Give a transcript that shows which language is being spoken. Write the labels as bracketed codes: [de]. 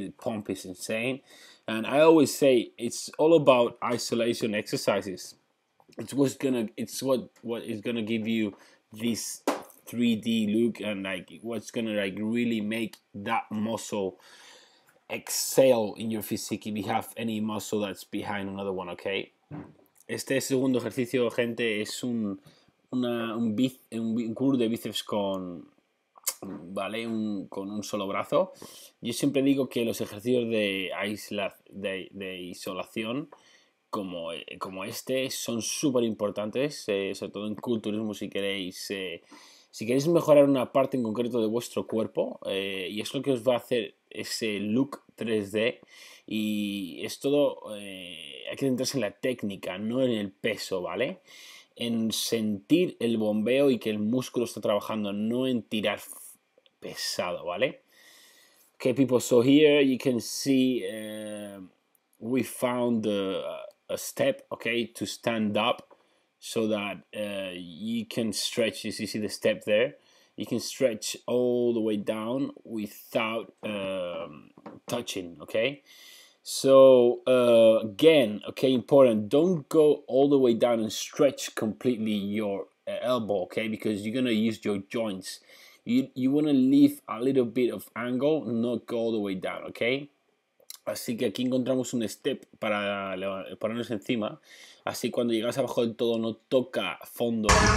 [en] The pump is insane. And I always say it's all about isolation exercises. It's what is gonna give you this 3D look and like what's gonna like really make that muscle excel in your physique if you have any muscle that's behind another one, okay? [es] Este segundo ejercicio, gente, es un curl de bíceps con, ¿vale? Con un solo brazo. Yo siempre digo que los ejercicios de isolación como este son súper importantes, sobre todo en culturismo si queréis mejorar una parte en concreto de vuestro cuerpo, y es lo que os va a hacer ese look 3D. Y es todo, hay que centrarse en la técnica, no en el peso, ¿vale? En sentir el bombeo y que el músculo está trabajando, no en tirar pesado, ¿vale? [en] Okay, people, so here you can see we found a step, okay, to stand up so that you can stretch. You see the step there? You can stretch all the way down without touching, okay? So, again, okay, important, don't go all the way down and stretch completely your elbow, okay? Because you're gonna use your joints. You wanna leave a little bit of angle, not go all the way down, okay? [es] Así que aquí encontramos un step para ponernos encima. Así cuando llegas abajo del todo no toca fondo.